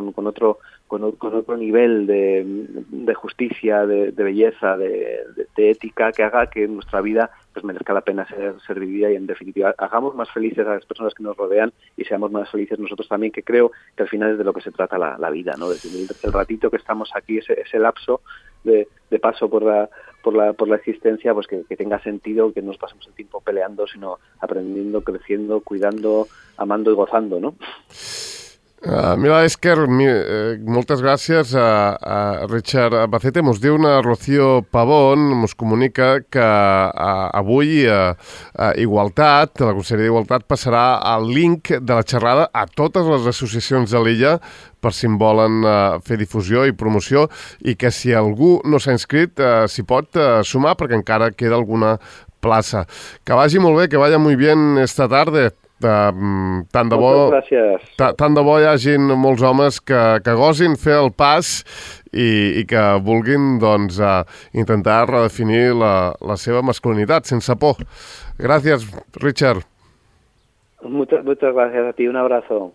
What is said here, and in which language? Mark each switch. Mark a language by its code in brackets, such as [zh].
[es] Con otro nivel de justicia, de belleza, de ética, que haga que nuestra vida pues merezca la pena ser vivida, y en definitiva hagamos más felices a las personas que nos rodean y seamos más felices nosotros también, que creo que al final es de lo que se trata la vida, ¿no? Desde el ratito que estamos aquí, ese lapso de paso por la existencia, pues que tenga sentido, que no nos pasemos el tiempo peleando, sino aprendiendo, creciendo, cuidando, amando y gozando, ¿no? [ca] Mira, Esker, moltes gràcies a Richard Bacete. Mos diu una Rocío Pavón, mos comunica que avui a Igualtat, la Conselleria d'Igualtat, passarà el link de la xerrada a totes les associacions de l'illa per si en volen fer difusió i promoció, i que si algú no s'ha inscrit s'hi pot sumar perquè encara queda alguna plaça. Que vagi molt bé, [es] que vaya muy bien esta tarde. [ca] Tant de bo hi hagin molts homes que gosin fer el pas i que vulguin doncs, intentar redefinir la seva masculinitat sense por. Gràcies, Richard. [es] Muchas gracias a ti. Un abrazo.